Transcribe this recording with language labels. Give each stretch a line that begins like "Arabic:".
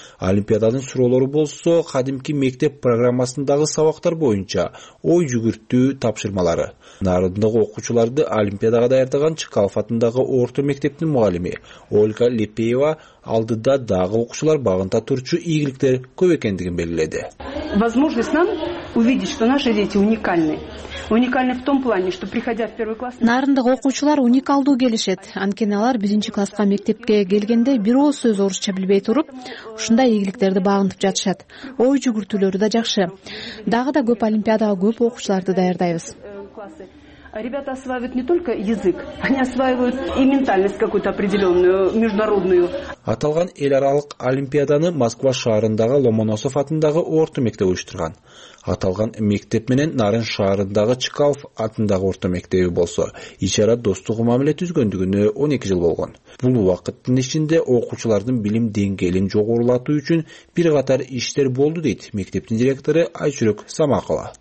Kyrgyz: Олимпиаданын суроолору болсо кадимки мектеп программасындагы сабактар боюнча ой жүгүртүү тапшырмалары. Нарындагы окуучуларды олимпиадага даярдаган Чкалов атындагы орто мектептин мугалими Ольга Липеева алдыда дагы окуучулар багында турчу ийгиликтер көп экендигин белгиледи.
Russian: Возможность нам увидеть, что наши дети уникальны. Уникальны в том плане, что приходя в первый класс...
Kyrgyz: Нарындагы окуучулар уникалдуу келишет. Анткени алар биринчи класска мектепке келгенде бир ооз сөз орусча билбей туруп, ушундай ийгиликтерди багынтып жатышат. Ой жүгүртүүлөрү да жакшы. Дагы да көп олимпиадага көп окуучуларды даярдайбыз.
Russian: Ребята осваивают не только язык, они осваивают и ментальность какую-то определенную, международную.
Kyrgyz: Аталган эл аралык олимпиаданы Москва шаарындагы Ломоносов атындагы орто мектеп уюштурган. Аталган мектеп менен Нарын шаарындагы Чкалов атындагы орто мектеби болсо, ИШРА достук мамиле түзгөндүгүнө 12 жыл болгон. Бул убакыттын ичинде окуучулардын билим деңгээлин жогорулатуу үчүн бир катар иштер болду, дейт мектептин директору Айчүрөк Самакова.